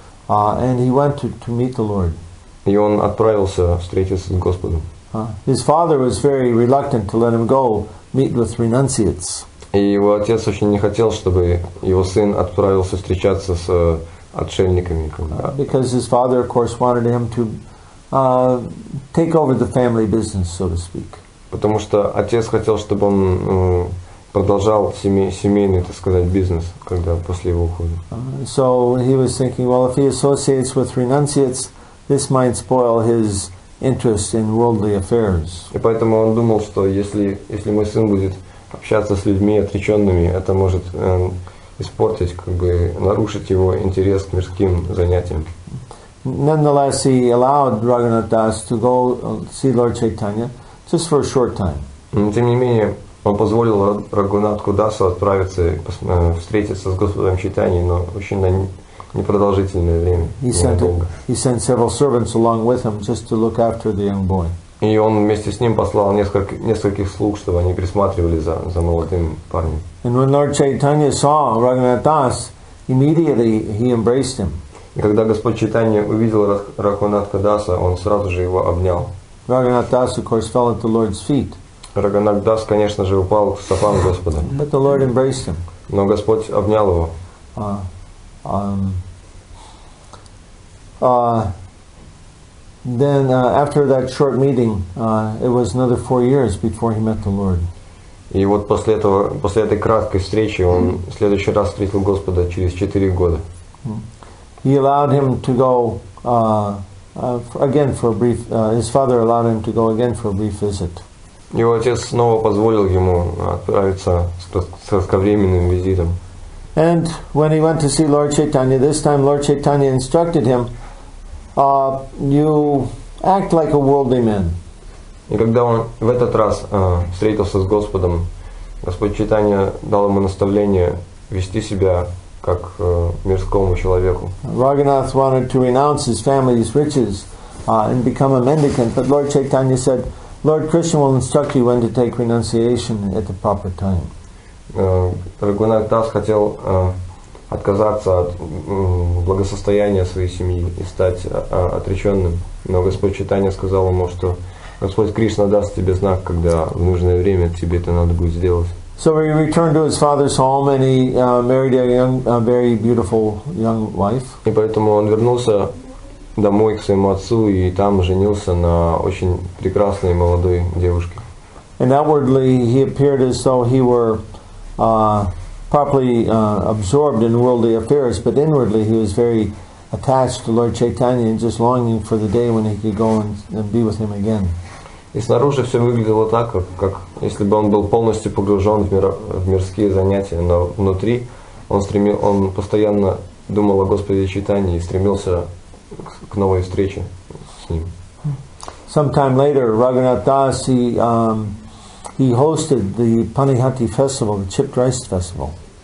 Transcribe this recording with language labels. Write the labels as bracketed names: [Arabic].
[English] And he went to meet the Lord. [Russian] И он отправился встретиться с Господом. [English] His father was very reluctant to let him go meet with renunciates. [Russian] И его отец очень не хотел, чтобы его сын отправился встречаться с отшельниками. [English] Because his father, of course, wanted him to take over the family business, so to speak. [Russian] Потому что отец хотел, чтобы он продолжал семейный, так сказать, бизнес, когда после его ухода. [English] So he was thinking, well, if he associates with renunciates, this might spoil his interest in worldly affairs. [Russian] И поэтому он думал, что если мой сын будет общаться с людьми отреченными, это может испортить, как бы нарушить его интерес к мирским занятиям. [English] Nonetheless, he allowed Raghunath Das to go see Lord Chaitanya just for a short time. [Russian] Тем не менее, он позволил Рагунатху Дасу отправиться встретиться с Господом Чайтаньей, но очень на непродолжительное время. [English] He sent several servants along with him just to look after the young boy. [Russian] И он вместе с ним послал нескольких слуг, чтобы они присматривали за молодым парнем. [English] And when Lord Chaitanya saw Raghunath Das, immediately he embraced him. [Russian] И когда Господь Чайтанья увидел Рагунатху Даса, он сразу же его обнял. [English] Raghunath Das, of course, fell at the Lord's feet. [Russian] Раганат Дас, конечно же, упал к стопам Господа. [English] But the Lord embraced him. [Russian] Но Господь обнял его. [English] After that short meeting, it was another 4 years before he met the Lord. [Russian] И вот после этой краткой встречи он в следующий раз встретил Господа через 4 года. [English] He allowed him to go again for a brief. His father allowed him to go again for a brief visit. [Russian] Его отец снова позволил ему отправиться с кратковременным визитом. [English] And when he went to see Lord Chaitanya, this time Lord Chaitanya instructed him, you act like a worldly man. [Russian] И когда он в этот раз встретился с Господом, Господь Чайтанья дал ему наставление вести себя как мирскому человеку. [English] Raghunath wanted to renounce his family's riches and become a mendicant, but Lord Chaitanya said, Lord Krishna will instruct you when to take renunciation at the proper time. [Russian] Raghunath Das хотел отказаться от благосостояния своей семьи и стать отреченным, но Господь Чайтанья сказал ему, что Господь Кришна даст тебе знак, когда в нужное время тебе это надо будет сделать. [English] So he returned to his father's home and he married a young, a very beautiful young wife. [Russian] И поэтому он вернулся домой к своему отцу и там женился на очень прекрасной молодой девушке. [English] And outwardly he appeared as though he were properly absorbed in worldly affairs, but inwardly he was very attached to Lord Chaitanya and just longing for the day when he could go and be with him again. [Russian] И снаружи все выглядело так, как если бы он был полностью погружен в мирские занятия, но внутри он постоянно думал о Господе Чайтанье и стремился к новой встрече с ним. [English] Sometime later, Raghunath Das he hosted the Panihati festival, the chipped rice festival.